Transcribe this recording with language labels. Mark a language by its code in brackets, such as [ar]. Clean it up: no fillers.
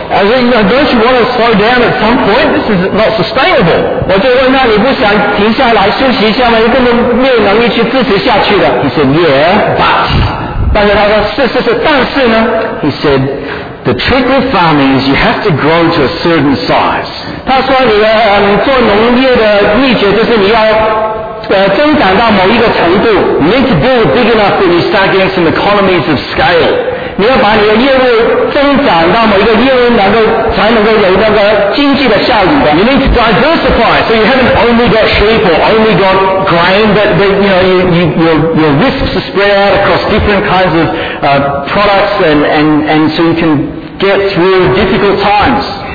[en] I said, you know, don't you want to slow down at some point? This is not sustainable. [zh] 我就问他，你不想停下来休息一下吗？你根本没有能力去支持下去的。 [en] He said, yeah, but. [zh] 但是他说，是，但是呢。 [en] He said, the trick with farming is you have to grow to a certain size. [zh] 他说你做农业的秘诀就是你要增长到某一个程度。 [en] You need to build big enough that you start getting some economies of scale. [zh] 你要把你的业务增长到某一个业务，才能够有那个经济的效益的。 [en] You need to diversify, so you haven't only got sheep or only got grain, but you know, your risks are spread out across different kinds of products, and so you can get through difficult times.